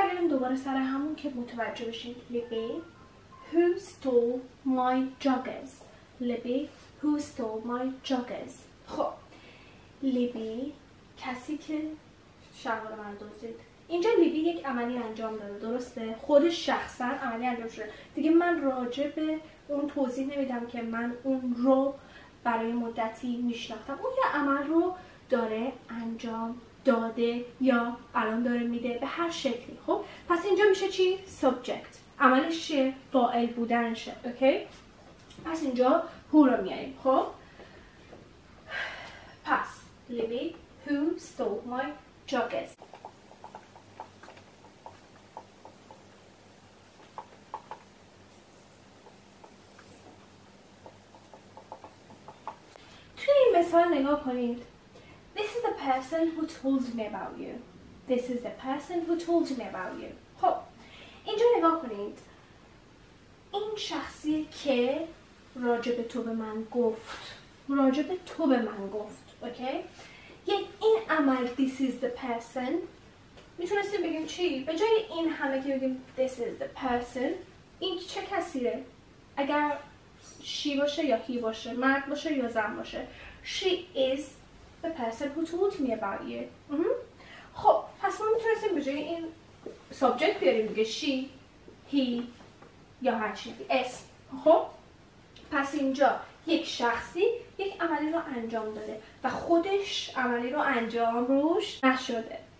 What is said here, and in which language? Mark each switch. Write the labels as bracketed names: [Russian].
[Persian] دوباره سر همون که متوجه بشین. [English] Libby, who stole my joggers? Libby, who stole my joggers? [Persian] خب Libby کسی که شلوار من دزدید. اینجا Libby یک عملی انجام داده، درسته؟ خودش شخصا عملی انجام شده. دیگه من راجع به اون توضیح نمیدم که من اون رو برای مدتی میشناختم. اون یه عمل رو داره انجام داده یا الان داره میده، به هر شکلی. خب پس اینجا میشه چی؟ سابجکت. عملش چیه؟ فاعل بودنشه. اوکی؟ پس اینجا هو رو میاریم. خب پس [English] Libby, who stole my joggers. [Persian] توی این مثال نگاه کنید. [English] This is the person who told me about you. This is the person who told me about you. [Persian] خب اینجا نگاه کنید. این شخصی که راجب تو به من گفت. راجب تو به من گفت. اوکی؟ یعنی این عمل [English] this is the person. [Persian] میتونستیم بگیم چی؟ به جای این همه که بگیم [English] this is the person. [Persian] این چه کسیه؟ اگر she باشه یا he باشه، مرد باشه یا زن باشه. [English] She is the person who told me about you. [Persian] خب پس ما میتونستیم به جای این سابجکت بیاریم بگه she, he یا هر چیزی اسم. خب پس اینجا یک شخصی یک عملی رو انجام داده و خودش عملی رو انجام روش نشده.